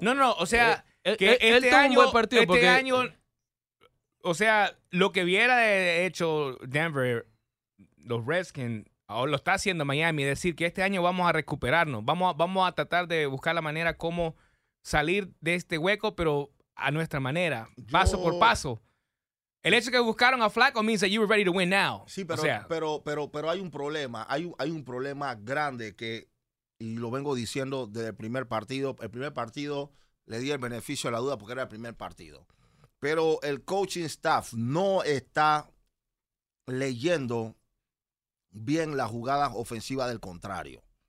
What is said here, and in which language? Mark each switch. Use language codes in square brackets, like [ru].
[es] No, o sea, este año, o sea, lo que hubiera hecho Denver, los Redskins, o lo está haciendo Miami, es decir, que este año vamos a recuperarnos, vamos a tratar de buscar la manera cómo salir de este hueco, pero a nuestra manera, paso por paso. El hecho que buscaron a Flacco [en] means that you were ready to win now. [es] Sí, pero, o sea, pero hay un problema, hay un problema grande que, y lo vengo diciendo desde el primer partido le di el beneficio de la duda porque era el primer partido. Pero el coaching staff no está leyendo bien las jugadas ofensivas del contrario.